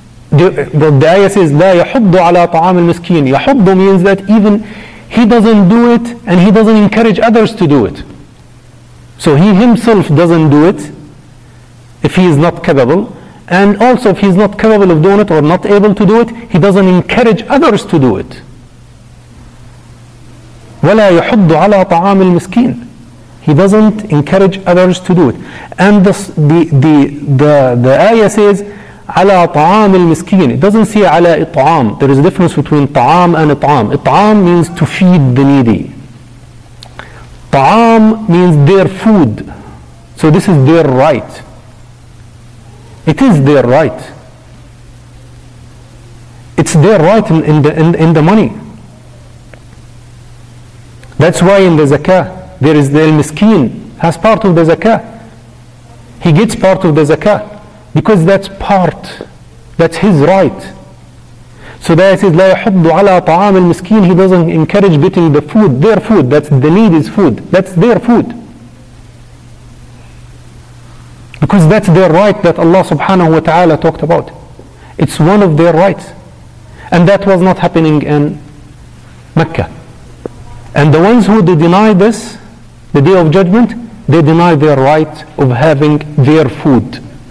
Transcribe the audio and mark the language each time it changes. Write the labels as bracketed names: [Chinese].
[English] The ayah says, [Arabic] لا يحض على طعام المسكين. [English] يحض means that even he doesn't do it and he doesn't encourage others to do it. So he himself doesn't do it if he is not capable. And also if he is not capable of doing it or not able to do it, he doesn't encourage others to do it. [Arabic] ولا يحض على طعام المسكين. [English] He doesn't encourage others to do it. And the ayah says, [Arabic] عَلَىٰ طَعَامِ الْمِسْكِينِ. [English] It doesn't say [Arabic] عَلَىٰ إِطْعَام. [English] There is a difference between طَعَام and إِطْعَام. إِطْعَام means to feed the needy. طَعَام means their food. So this is their right. It is their right. It's their right in the money. That's why in the zakah, there is the al-miskeen has part of the zakah. He gets part of the zakah. Because that's part, that's his right. [Arabic] So that says, لا يحض على طعام المسكين. [English] He doesn't encourage getting the food, their food. That's the needy's food. That's their food. Because that's their right that Allah subhanahu wa ta'ala talked about. It's one of their rights. And that was not happening in Mecca. And the ones who deny this, the day of judgment, they deny their right of having their food.